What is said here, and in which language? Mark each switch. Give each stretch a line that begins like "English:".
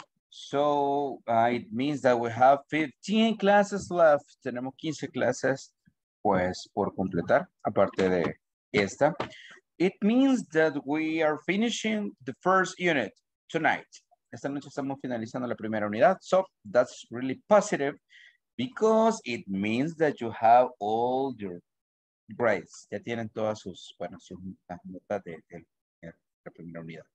English: So, it means that we have 15 classes left.
Spanish: Tenemos 15 clases, pues, por completar, aparte de esta.
English: It means that we are finishing the first unit tonight.
Spanish: Esta noche estamos finalizando la primera unidad.
English: So, that's really positive because it means that you have all your grades.
Spanish: Ya tienen todas sus, bueno, sus notas de la primera unidad.